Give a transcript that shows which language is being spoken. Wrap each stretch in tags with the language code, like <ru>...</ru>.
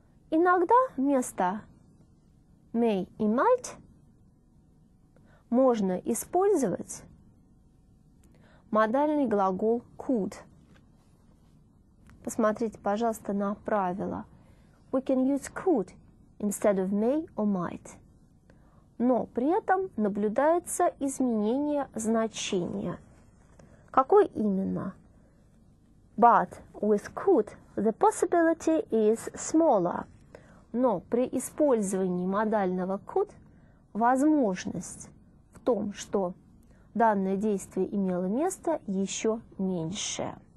<ru>Иногда вместо may и might можно использовать модальный глагол could. Посмотрите, пожалуйста, на правило.</ru> <en>We can use could instead of may or might.</en> <ru>Но при этом наблюдается изменение значения. Какое именно?</ru> <en>But with could the possibility is smaller.</en> <ru>Но при использовании модального could возможность в том, что данное действие имело место, еще меньше.</ru>